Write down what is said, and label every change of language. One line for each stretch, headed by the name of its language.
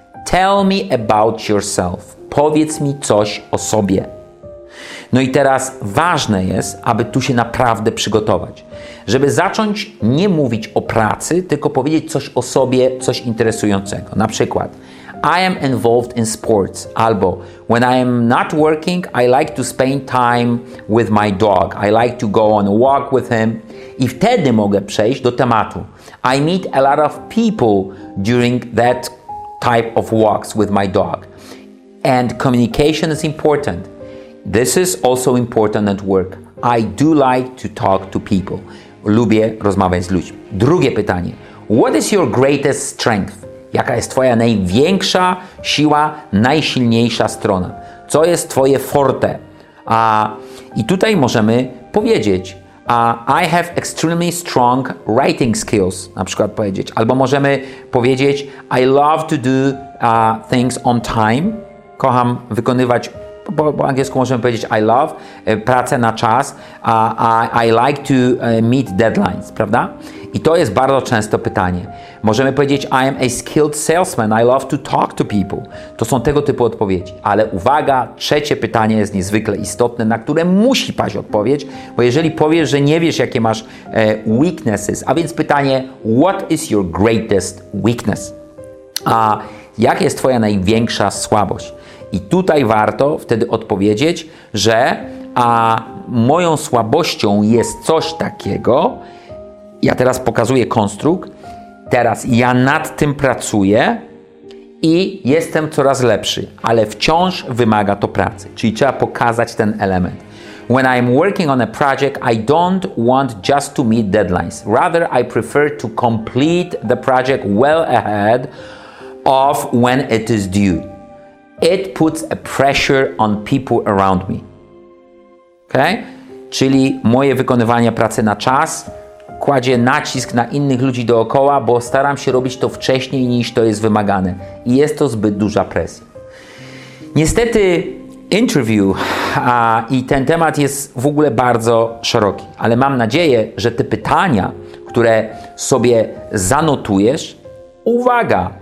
English: Tell me about yourself.
Polish: Powiedz mi coś o sobie. No i teraz ważne jest, aby tu się naprawdę przygotować. Żeby zacząć nie mówić o pracy, tylko powiedzieć coś o sobie, coś interesującego. Na przykład,
English: I am involved in sports.
Polish: Albo,
English: when I am not working, I like to spend time with my dog. I like to go on a walk with him.
Polish: I wtedy mogę przejść do tematu.
English: I meet a lot of people during that type of walks with my dog. And communication is important. This is also important at work. I do like to talk to people.
Polish: Lubię rozmawiać z ludźmi. Drugie pytanie.
English: What is your greatest strength?
Polish: Jaka jest Twoja największa siła, najsilniejsza strona? Co jest Twoje forte? I tutaj możemy powiedzieć.
English: I have extremely strong writing skills.
Polish: Na przykład powiedzieć. Albo możemy powiedzieć.
English: I love to do things on time.
Polish: Kocham wykonywać. Po angielsku możemy powiedzieć
English: I love,
Polish: pracę na czas,
English: I like to meet deadlines,
Polish: prawda? I to jest bardzo często pytanie. Możemy powiedzieć
English: I am a skilled salesman, I love to talk to people.
Polish: To są tego typu odpowiedzi. Ale uwaga, trzecie pytanie jest niezwykle istotne, na które musi paść odpowiedź, bo jeżeli powiesz, że nie wiesz, jakie masz weaknesses, a więc pytanie,
English: what is your greatest weakness?
Polish: A jaka jest Twoja największa słabość? I tutaj warto wtedy odpowiedzieć, że moją słabością jest coś takiego. Ja teraz pokazuję konstrukt. Teraz ja nad tym pracuję i jestem coraz lepszy, ale wciąż wymaga to pracy. Czyli trzeba pokazać ten element.
English: When I'm working on a project, I don't want just to meet deadlines. Rather, I prefer to complete the project well ahead of when it is due. It puts a pressure on people around me. Okay?
Polish: Czyli moje wykonywanie pracy na czas kładzie nacisk na innych ludzi dookoła, bo staram się robić to wcześniej niż to jest wymagane. I jest to zbyt duża presja. Niestety interview i ten temat jest w ogóle bardzo szeroki, ale mam nadzieję, że te pytania, które sobie zanotujesz, uwaga!